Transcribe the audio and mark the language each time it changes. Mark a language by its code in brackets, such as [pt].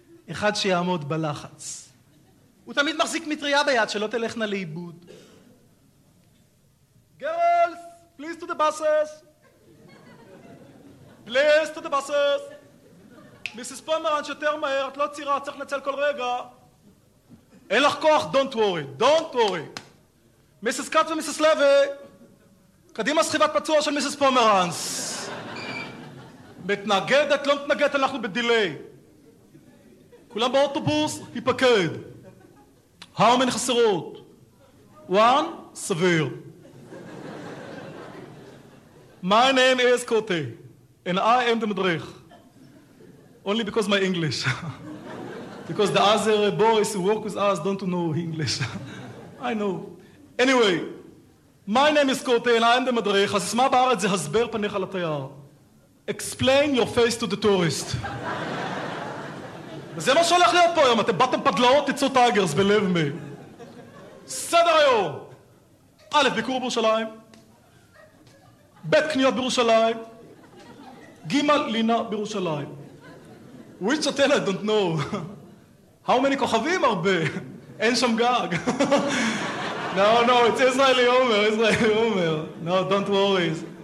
[he] אחד שיעמוד בלחץ. הוא תמיד מחזיק מטריה ביד שלא תלכנה לאיבוד. [en] גרלס, פליז טו דה בסס. פליז טו דה בסס. [he] מיסיס פומרנץ' יותר מהר, את לא צירה, צריך לנצל כל רגע. אין לך כוח, [en] don't worry, don't worry. [he] מיסס קאט ומיסס לוי, קדימה סחיבת פצוע של מיסס פומרנס. מתנגדת, לא מתנגדת, אנחנו בדיליי. כולם באוטובוס, ייפקד. [en] How many חסרות? One? סביר. My name is קוטי, and I am the מדריך. Only because my English. Because the other boys who work with us don't know English. I know. Anyway, my name is Kote and I am the מדריך. [he] הסיסמה בארץ זה הסבר פניך לתייר. [en] Explain your face to the tourist. [he] וזה מה שהולך להיות פה היום. אתם באתם פדלאות, תצאו טייגרס בלב מי. סדר היום. א', ביקור בירושלים. ב', קניות בירושלים. ג', לינה בירושלים. [en] Which hotel I don't know. How many [he] כוכבים הרבה? אין שם גג. [en] No, no, it's Israeli Omer, Israeli Omer. No, don't worry.